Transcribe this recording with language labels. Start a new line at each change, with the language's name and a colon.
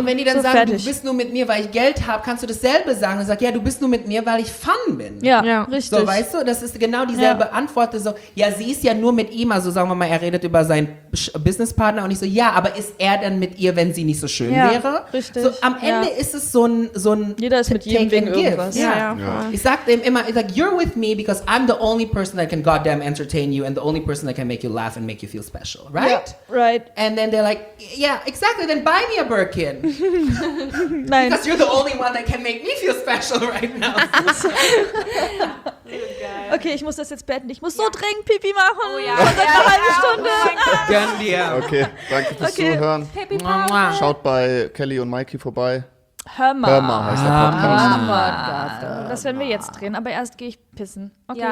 German: Und wenn die dann so sagen, fertig. Du bist nur mit mir, weil ich Geld habe, kannst du dasselbe sagen und sagst, ja, du bist nur mit mir, weil ich Fun bin. Ja, ja. Richtig. So, weißt du, das ist genau dieselbe Antwort. So, ja, sie ist ja nur mit ihm, also sagen wir mal, er redet über seinen Businesspartner und ich so, ja, aber ist er denn mit ihr, wenn sie nicht so schön wäre? Richtig. So, am Ende ist es so ein jeder ist mit jedem wegen irgendwas. Ich sag dem immer, ich sag,
English: you're with me because I'm the only person that can goddamn entertain you and the only person that can make you laugh and make you feel special, right? Yeah, right. And then they're like, yeah, exactly, then buy me a Birkin.
German: Nein.
English: Because you're the only one that can make me feel special right now.
German: Okay, ich muss das jetzt beenden. Ich muss so dringend Pipi machen. Oh ja. Seit einer halben Stunde. Gönn dir. Okay, danke fürs Zuhören. Schaut bei Kelly und Mikey vorbei. Hör mal. Das werden wir jetzt drehen, aber erst gehe ich pissen. Okay,